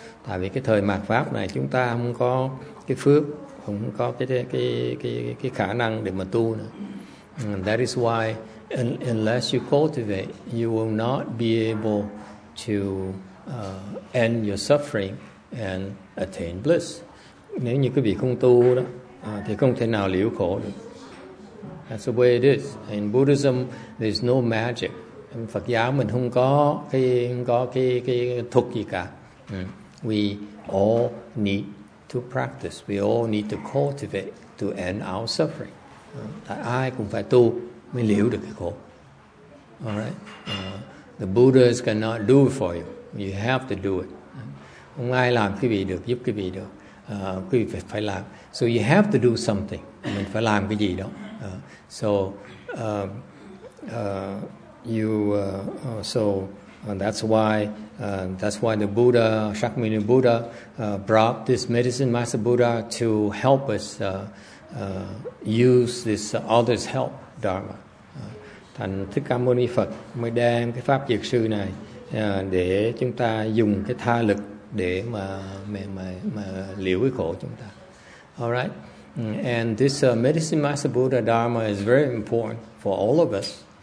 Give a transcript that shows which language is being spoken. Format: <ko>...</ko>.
<vi>Tại vì cái thời mạt pháp này chúng ta không có cái phước, không có cái khả năng để mà tu nữa.</vi> <en>And that is why unless you cultivate, you will not be able to end your suffering and attain bliss.</en> <vi>Nếu như quý vị không tu đó thì không thể nào liễu khổ được.</vi> <en>That's the way it is. In Buddhism, there's no magic.</en> <vi>In Phật giáo mình không có cái thuật gì cả.</vi> <en>We all need to practice. We all need to cultivate to end our suffering.</en> <vi>Tại ai cũng phải tu mới liễu được cái khổ.</vi> <en>All right. The Buddhas cannot do it for you. You have to do it.</en> <vi>Không ai làm quý vị được, giúp quý vị được. Quý vị phải làm.</vi> <en>So you have to do something.</en> <vi>Mình phải làm cái gì đó.</vi> <en>That's why the Buddha, Shakyamuni Buddha, brought this Medicine Master Buddha to help us use this others' help dharma.</en> <vi>Thành Thích Ca Mâu Ni Phật mới đem cái pháp dược sư này để chúng ta dùng cái tha lực để mà liễu cái khổ chúng ta.</vi> <en>All right. And this Medicine Master Buddha Dharma is very important for all of us.</en>